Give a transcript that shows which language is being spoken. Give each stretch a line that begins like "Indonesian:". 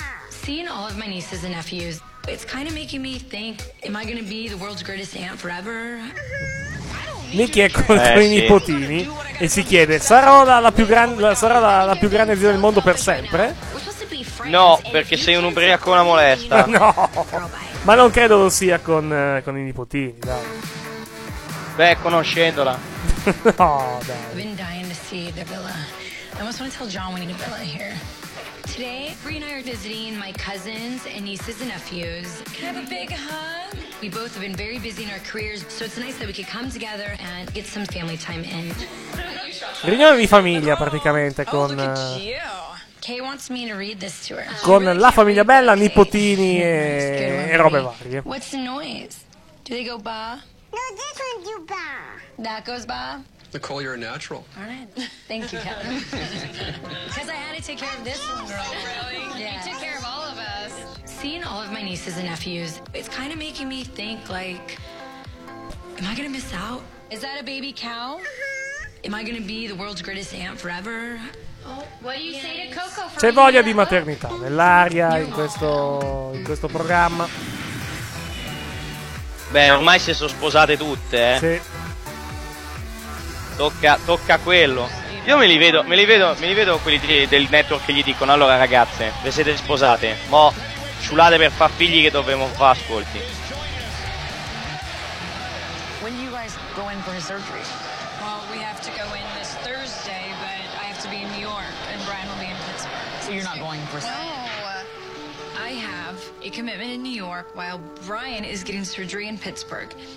English: Seeing all of my nieces and nephews, it's kind of making me think, am I gonna be the world's greatest aunt forever?
Italian: Nikki è contro i nipotini e si chiede, sarò la più grande zia del mondo per sempre? No, perché sei un ubriaco, una molesta. No, ma non credo lo sia con i nipotini, dai. Beh, conoscendola. No, dai.
English: I've been dying to see the villa. I almost want to tell John we need a villa here. Today, Bree and I are visiting my cousins and nieces and nephews. Can I have a big hug? We both have been very busy in our careers, so it's nice that we could come together and get some family time in.
Italian: Riunione di famiglia, praticamente, con...
English: Kay wants me to read this to her.
Italian: Con la famiglia bella, nipotini e robe varie.
English: What's the noise? Do they go ba? No, this one do ba. That goes ba? Nicole, you're a natural. Alright. Thank you, Kevin. Because I had to take care of this one, girl. Really? Yeah. You took care of all of us. Seeing all of my nieces and nephews, it's kind of making me think, like, am I going to miss out? Is that a baby cow? Am I going to be the world's greatest aunt forever? What do you say to Coco for me?
Italian: C'è voglia di maternità nell'aria, in questo programma. Beh, ormai si sono sposate tutte, eh? Sì. Tocca quello. Io me li vedo quelli del network che gli dicono: allora ragazze, vi siete sposate, mo ciulate per far figli che dovremmo fare ascolti.
English: When do you guys go in for surgery? Well, we have to go in this Thursday, but I have to be in New York and Brian will be in Pittsburgh. So you're not going for surgery? No. I have a commitment in New York while Brian is getting surgery in Pittsburgh.